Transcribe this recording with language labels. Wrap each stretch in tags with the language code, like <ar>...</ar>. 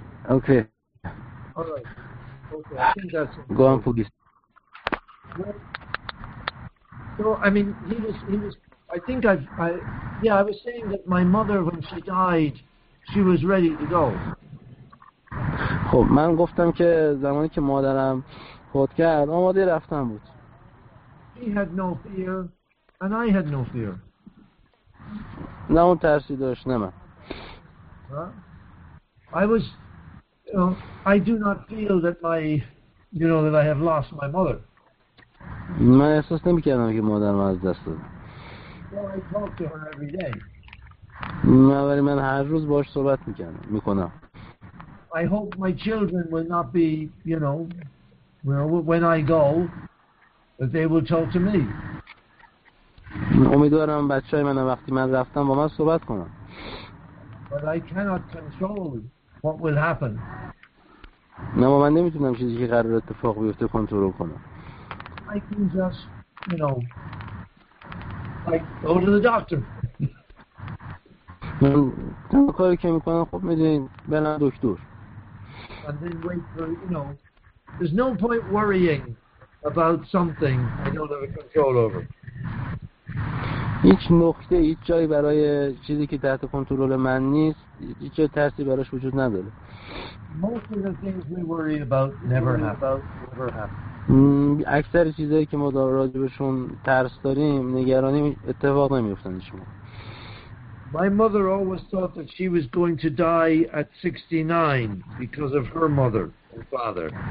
<en>Okay. All right. Okay. I think that's it. Go on, Fugis. So, I mean, he was. I think I was saying that my mother, when she died, she was ready to go.</en> <fa>خب من گفتم که زمانی که مادرم فوت کرد آماده رفتن بود.</fa> <en>She had no fear and I had no fear.</en> <fa>نه اون ترسی داشت نه من.</fa> <en>I was, I do not feel that my, you know, that I have lost my mother.</en> <fa>من احساس نمی کردم که مادرم از دست دادم.</fa> <en>So I talk to her every day. I hope my children will not be, you know, when I go, that they will talk to me.</en> <fa>امیدوارم بچه‌های من وقتی من رفتم با من صحبت کنن.</fa> <en>But I cannot control what will happen.</en> <fa>نه من نمیتونم چیزی که قرار اتفاق بیفته کنترل کنم.</fa> <en>I can just, you know, like go to the doctor.</en> <fa>من کاری که میکنم خب میدونین برم دکتر.</fa> <en>And then wait for, you know, there's no point worrying about something I don't have a control over.</en> <fa>هیچ نقطه هیچ جایی برای چیزی که تحت کنترل من نیست هیچ ترسی براش وجود نداره.</fa> <en>Most of the things we worry about never happen.</en> <fa>اکثر چیزایی که ما در راجبشون ترس داریم نگرانیم اتفاق نمیفتن شما.</fa> <en>My mother always thought that she was going to die at 69 because of her mother and father.</en>